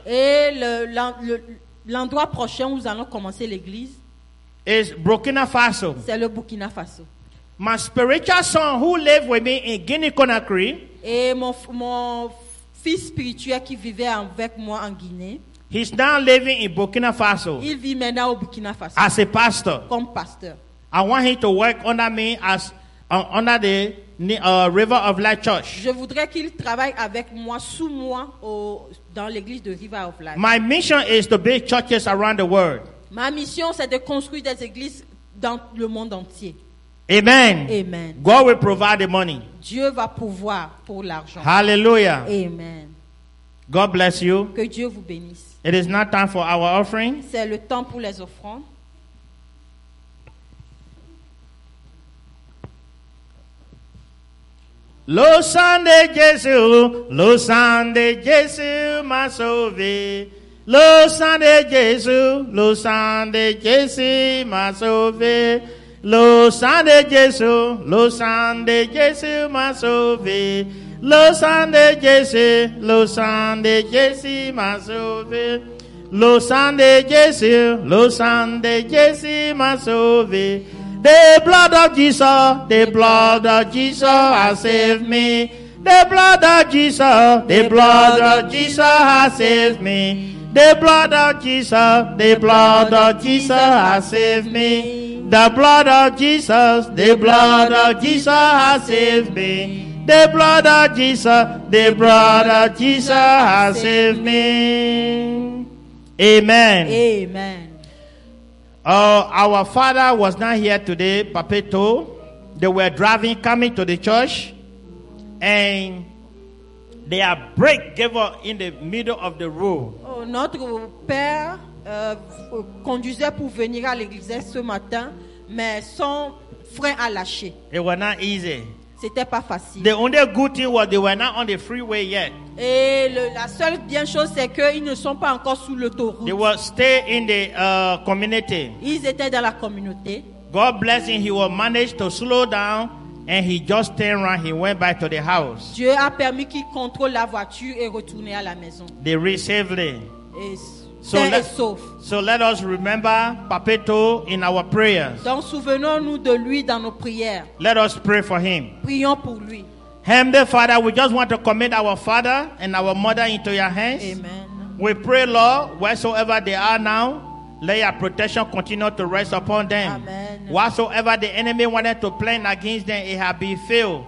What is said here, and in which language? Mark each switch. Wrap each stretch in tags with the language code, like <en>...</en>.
<fr>Et l'endroit prochain où nous allons commencer l'église.</fr> <en>Is Burkina Faso.</en> <fr>C'est le Burkina Faso.</fr> <en>My spiritual son who lives with me in Guinea Conakry.</en> <fr>Et mon fils spirituel qui vivait avec moi en Guinée.</fr> <en>He's now living in Burkina Faso.</en> <fr>Il vit maintenant au Burkina Faso.</fr> <en>As a pastor.</en> <fr>Comme pasteur.</fr> <en>I want him to work under me as under the River of Light Church.</en> <fr>Je voudrais qu'il travaille avec moi sous moi au dans l'église de River of Light.</fr> <en>My mission is to build churches around the world.</en> <fr>Ma mission c'est de construire des églises dans le monde entier.</fr> <en>Amen. Amen. God will provide the money.</en> <fr>Dieu va pouvoir pour l'argent.</fr> <en>Hallelujah. Amen. God bless you.</en> <fr>Que Dieu vous bénisse.</fr> <en>It is not time for our offering.</en> <fr>C'est le temps pour les offrandes. Lo sang de Jésus, lo sang de Jésus m'a sauvé. Lo sang de Jésus, lo sang de Jésus m'a sauvé. Lo sang de Jésus, lo sang de Jésus m'a sauvé. Lo sang de Jésus, lo sang de Jésus m'a sauvé. Lo sang de Jésus, lo sang de Jésus m'a sauvé.</fr> <en>The blood of Jesus, the blood of Jesus has saved me. The blood of Jesus, the blood of Jesus has saved me. The blood of Jesus, the blood of Jesus has saved me. The blood of Jesus, the blood of Jesus has saved me. The blood of Jesus, the blood of Jesus has saved me. Amen. Amen. Our father was not here today, Papeto. They were driving, coming to the church. And their brake gave up in the middle of the road.</en> <fr>Oh, notre père conduisait pour venir à l'église ce matin. Mais son frein a lâché.</fr> <en>It was not easy.</en> <fr>C'était pas facile.</fr> <en>The only good thing was they were not on the freeway yet.</en> <fr>Et la seule bien chose c'est qu'ils ne sont pas encore sous l'autoroute.</fr> <en>They were stay in the community.</en> <fr>Ils étaient dans la communauté.</fr> <en>God bless him. He will manage to slow down and he just turned around. He went back to the house.</en> <fr>Dieu a permis qu'il contrôle la voiture et retourner à la maison.</fr> <en>They received it. Yes. So let us remember Papeto in our prayers.</en> <fr>Donc souvenons-nous de lui dans nos prières.</fr> <en>Let us pray for him.</en> <fr>Prions pour lui.</fr> <en>Heavenly Father, we just want to commit our father and our mother into your hands. Amen. We pray, Lord, wheresoever they are now, let your protection continue to rest upon them. Amen. Whatsoever the enemy wanted to plan against them, it has been failed.</en>